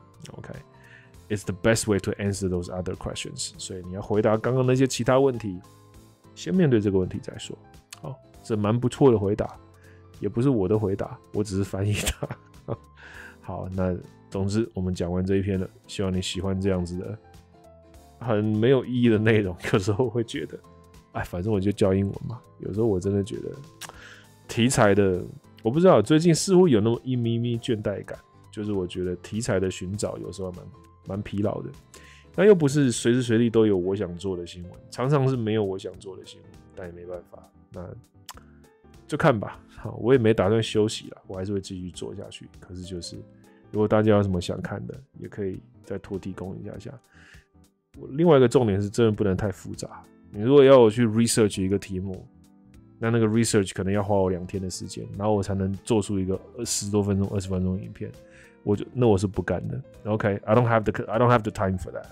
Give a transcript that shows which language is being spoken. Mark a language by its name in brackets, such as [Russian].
[English] Okay, it's the best way to answer those other questions. [Chinese] 所以你要回答刚刚那些其他问题，先面对这个问题再说。好，这蛮不错的回答，也不是我的回答，我只是翻译它。好，那总之我们讲完这一篇了，希望你喜欢这样子的很没有意义的内容。有时候会觉得，哎，反正我就教英文嘛。有时候我真的觉得。题材的我不知道最近似乎有那么一咪咪倦怠感就是我觉得题材的寻找有时候蛮疲劳的那又不是随时随地都有我想做的新闻常常是没有我想做的新闻但也没办法那就看吧好我也没打算休息啦我还是会继续做下去可是就是如果大家有什么想看的也可以再托提供一下下我另外一个重点是真的不能太复杂你如果要我去 research 一个题目那个 research 可能要花我两天的时间，然后我才能做出一个10多分钟、20分钟的影片，那我是不敢的。 [English] Okay, I don't have the time for that.